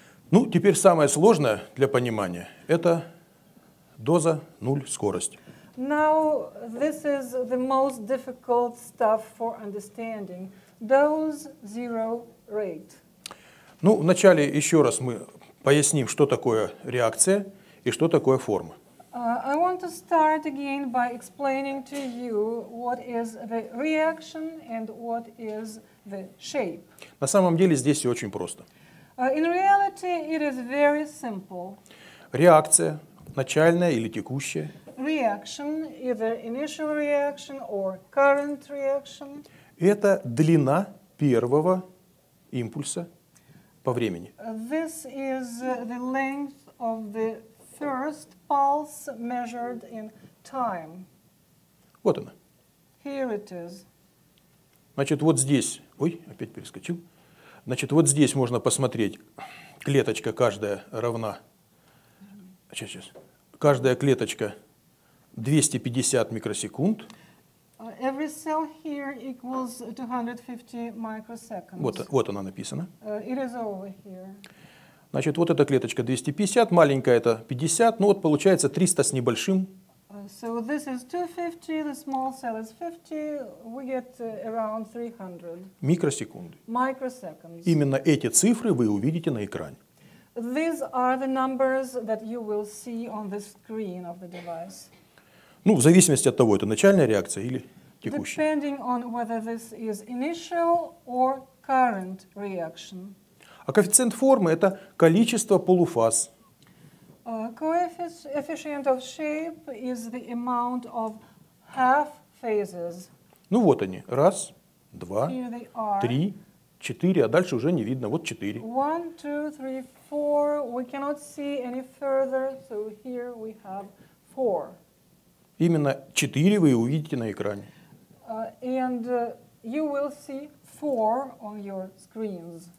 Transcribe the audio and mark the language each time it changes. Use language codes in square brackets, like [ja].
[ru] Ну, теперь самое сложное для понимания – это доза, нуль, скорость. [en] Now, this is the most difficult stuff for understanding. Dose, zero, rate. [ru] Ну, вначале еще раз мы поясним, что такое реакция и что такое форма. [en] I want to start again by explaining to you what is the reaction and what is the shape. [ru] На самом деле здесь все очень просто. [en] In reality, it is very simple. [ru] Реакция, начальная или текущая. [en] reaction, either initial reaction or current reaction. [ru] Это длина первого импульса по времени. [en] This is the length of the first pulse measured in time. [ru] Вот она. [en] Here it is. [ru] Значит, вот здесь, ой, опять перескочил. Значит, вот здесь можно посмотреть, клеточка каждая равна, сейчас, каждая клеточка 250 микросекунд. [en] Every cell here equals 250 microseconds. [ru] Вот она написана. [en] It is over here. [ru] Значит, вот эта клеточка 250, маленькая это 50, ну вот получается 300 с небольшим. [en] So this is 250, the small cell is 50, we get around 300. [ru] Микросекунды. [en] Microseconds. [ru] Именно эти цифры вы увидите на экране. [en] These are the numbers that you will see on the screen of the device. [ru] Ну, в зависимости от того, это начальная реакция или текущая. [en] Depending on whether this is initial or current reaction. [ru] А коэффициент формы — это количество полуфаз. [en] Coefficient of shape is the amount of half phases. [ru] Ну вот они. Раз, два, три, четыре, а дальше уже не видно. Вот четыре. [en] One, two, three, four. We cannot see any further, so here we have four. [ru] Именно четыре вы увидите на экране. [en] You will see four on your screens.